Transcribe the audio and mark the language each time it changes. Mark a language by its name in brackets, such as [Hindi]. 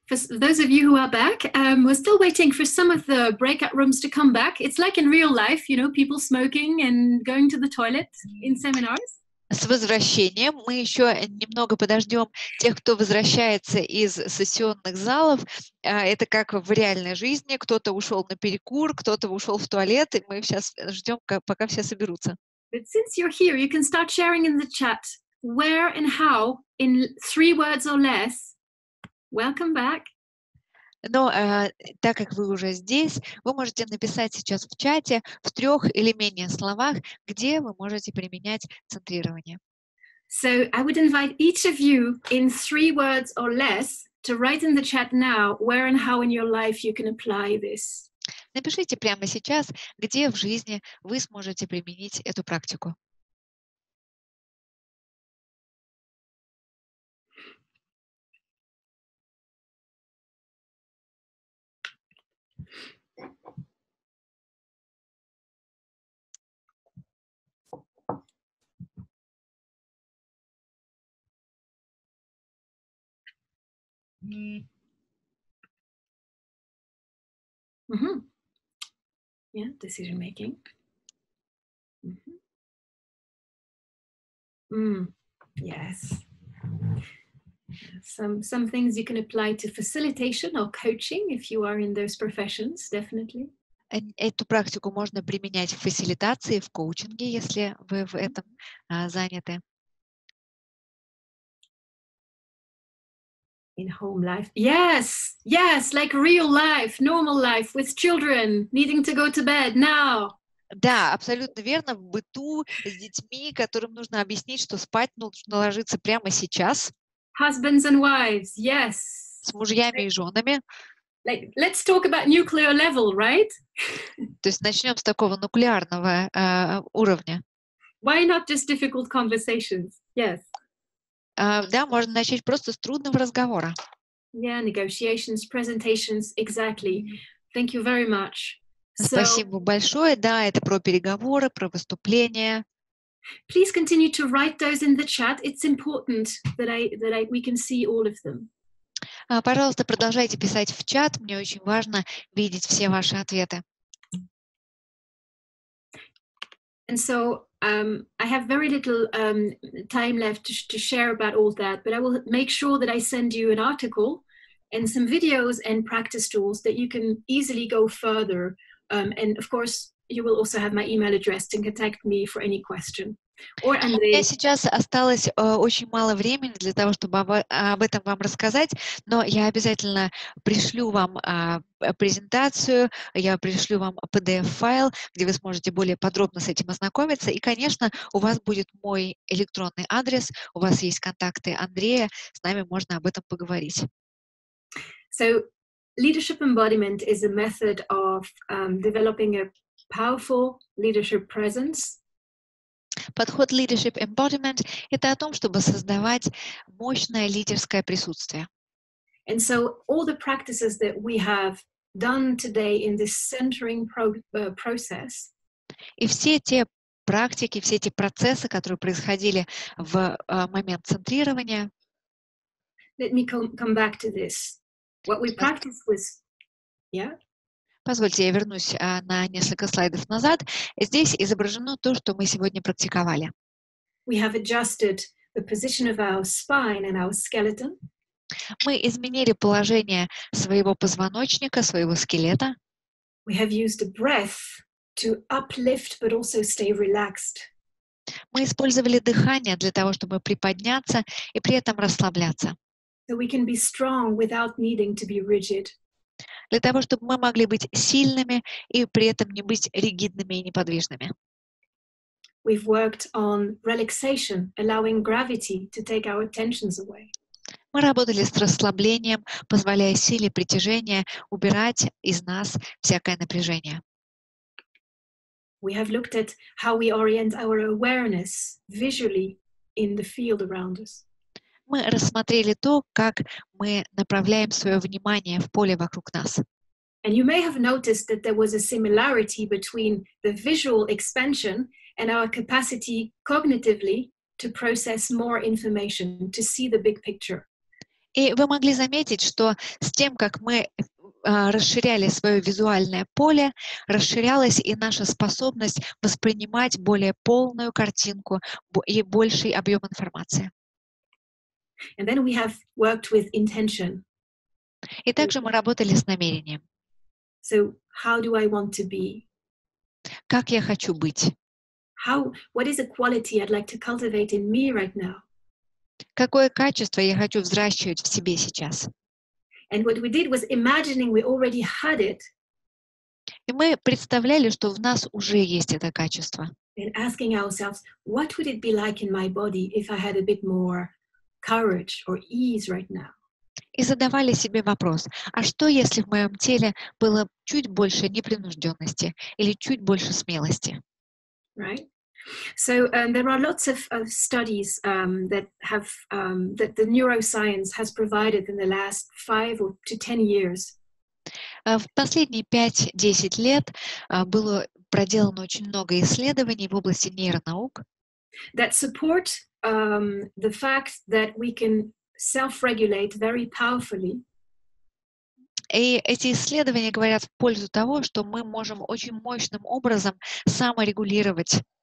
[English] For those of you who are back, we're still waiting for some of the breakout rooms to come back. It's like in real life, you know, people smoking and going to the toilet in seminars. [Russian] С возвращением мы еще немного подождем тех, кто возвращается из сессионных залов. Это как в реальной жизни. Кто-то ушел на перекур, кто-то ушел в туалет, и мы сейчас ждем, пока все соберутся. [English] But since you're here, you can start sharing in the chat where and how in 3 words or less. Welcome back. [Russian] Но так как вы уже здесь, вы можете написать сейчас в чате в 3 или менее словах, где вы можете применять центрирование. [English] So I would invite each of you in 3 words or less to write in the chat now where and how in your life you can apply this. [Russian] Напишите прямо сейчас, где в жизни вы сможете применить эту практику. [English] Mm-hmm. Yeah, decision making. Mm-hmm. Mm. Yes. Some things you can apply to facilitation or coaching if you are in those professions, definitely. [Russian] Эту практику можно применять в фасилитации, в коучинге, если вы в этом заняты. [English] In home life. Yes, yes, like real life, normal life with children needing to go to bed now. [Russian] Да, абсолютно верно. В быту с детьми, которым нужно объяснить, что спать нужно ложиться прямо сейчас. [English] Husbands and wives, yes. [Russian] С мужьями и женами. [English] Like, let's talk about nuclear level, right? [Russian] То есть начнем с такого нуклеарного уровня. [English] Why not just difficult conversations? Yes. [Russian] Да, можно начать просто с трудного разговора. [English] Yeah, negotiations, presentations, exactly. Thank you very much. [Russian] Спасибо большое. Да, это про переговоры, про выступления. [English] Please continue to write those in the chat. It's important that we can see all of them. [Russian] Пожалуйста, продолжайте писать в чат. Мне очень важно видеть все ваши ответы. [English] And so I have very little time left to share about all that, but I will make sure that I send you an article and some videos and practice tools that you can easily go further. And of course, you will also have my email address to contact me for any question. [Russian] Я сейчас осталось очень мало времени для того, чтобы об этом вам рассказать, но я обязательно пришлю вам презентацию, я пришлю вам PDF-файл, где вы сможете более подробно с этим ознакомиться, и, конечно, у вас будет мой электронный адрес, у вас есть контакты Андрея, с нами можно об этом поговорить. [English] So, leadership embodiment is a method of developing a powerful leadership presence. [Russian] Подход leadership embodiment – это о том, чтобы создавать мощное лидерское присутствие. [English] And so all the practices that we have done today in this centering process. [Russian] И все те практики, все те процессы, которые происходили в момент центрирования. [English] Let me come back to this. What we practiced was, yeah. [Russian] Позвольте, я вернусь на несколько слайдов назад. Здесь изображено то, что мы сегодня практиковали. [English] We have adjusted the position of our spine and our skeleton. [Russian] Мы изменили положение своего позвоночника, своего скелета. [English] We have used a breath to uplift, but also stay relaxed. [Russian] Мы использовали дыхание для того, чтобы приподняться и при этом расслабляться. [English] So we can be strong without needing to be rigid. [Russian] Для того, чтобы мы могли быть сильными и при этом не быть ригидными и неподвижными. [English] We've worked on relaxation, allowing gravity to take our tensions away. [Russian] Мы работали с расслаблением, позволяя силе притяжения убирать из нас всякое напряжение. [English] We have looked at how we orient our awareness visually in the field around us. [Russian] Мы рассмотрели то, как мы направляем свое внимание в поле вокруг нас. [English] And you may have noticed that there was a similarity between the visual expansion and our capacity cognitively to process more information, to see the big picture. [Russian] И вы могли заметить, что с тем, как мы расширяли свое визуальное поле, расширялась и наша способность воспринимать более полную картинку и больший объем информации. [English] And then we have worked with intention. [Russian] И также мы работали с намерением. [English] So how do I want to be? [Russian] Как я хочу быть? [English] How, what is a quality I'd like to cultivate in me right now? [Russian] Какое качество я хочу взращивать в себе сейчас? [English] And what we did was imagining we already had it. [Russian] И мы представляли, что в нас уже есть это качество. [English] And asking ourselves, what would it be like in my body if I had a bit more courage or ease right now? [Russian] И задавали себе вопрос, а что если в моем теле было чуть больше непринужденности или чуть больше смелости? [English] Right? So there are lots of studies that have that the neuroscience has provided in the last 5 to 10 years. [Russian] В последние 5-10 лет было проделано очень много исследований в области нейронаук. [English] That support the fact that we can self-regulate very powerfully. [Russian] И эти исследования говорят в пользу того, что мы можем очень мощным образом саморегулировать.